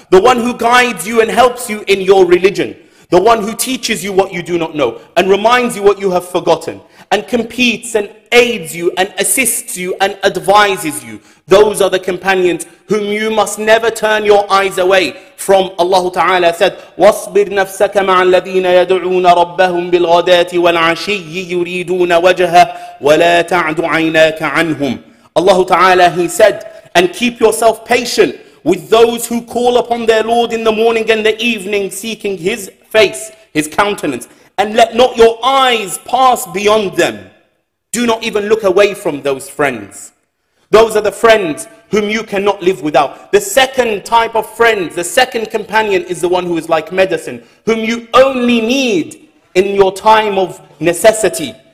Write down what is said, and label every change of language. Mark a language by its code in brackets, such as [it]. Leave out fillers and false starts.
[en] The one who guides you and helps you in your religion. The one who teaches you what you do not know and reminds you what you have forgotten. And competes and aids you and assists you and advises you. Those are the companions whom you must never turn your eyes away from. Allah Ta'ala said, [ar] وَاصْبِرْ نَفْسَكَ مَعَ الَّذِينَ يَدْعُونَ رَبَّهُمْ بِالْغَدَاتِ وَالْعَشِيِّ يُرِيدُونَ وَجْهَهُ وَلَا تَعْدُ عَيْنَاكَ عَنْهُمْ. [en] Allah Ta'ala, He said, and keep yourself patient with those who call upon their Lord in the morning and the evening, seeking His face, His countenance. And let not your eyes pass beyond them. Do not even look away from those friends. Those are the friends whom you cannot live without. The second type of friends, the second companion, is the one who is like medicine, whom you only need in your time of necessity.